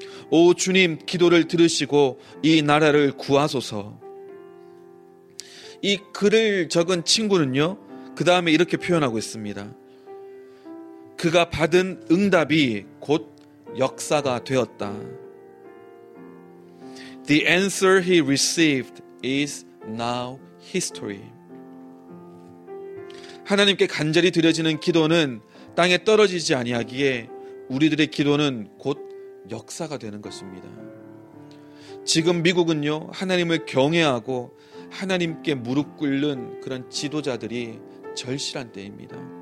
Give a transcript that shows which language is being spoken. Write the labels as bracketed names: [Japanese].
[Korean] 오 주님, 기도를 들으시고 이 나라를 구하소서. 이 글을 적은 친구는요, 그 다음에 이렇게 표현하고 있습니다. 그가 받은 응답이 곧 역사가 되었다. [English] The answer he received is now history. [Korean] 하나님께 간절히 드려지는 기도는 땅에 떨어지지 아니하기에 우리들의 기도는 곧 역사가 되는 것입니다. 지금 미국은요, 하나님을 경외하고 하나님께 무릎 꿇는 그런 지도자들이 절실한 때입니다.